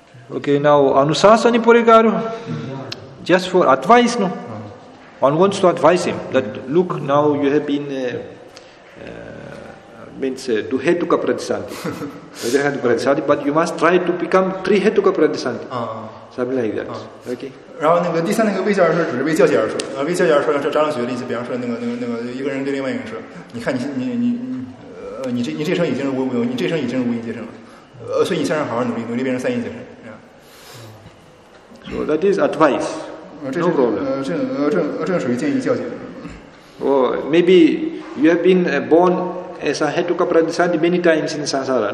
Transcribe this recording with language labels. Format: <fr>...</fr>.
<en>Okay, now Anusasani Purikara. Just for advice, no. One wants to advise him that look, now you have been means to hetuka pratisanti, but you must try to become tri hetuka pratisanti, something like that. Okay.</en> <zh>然后那个第三那个微笑而说，只是微笑而说。微笑而说，这张良举的例子，比方说那个一个人对另外一个人说：“你看你这生已经是无有，你这生已经是无因阶生了，所以你现在好好努力变成三因阶生。”</zh> <en>So that is advice. No problem. Oh, maybe you have been born as a Hetuka Pratisandhi many times in Sansara.</en>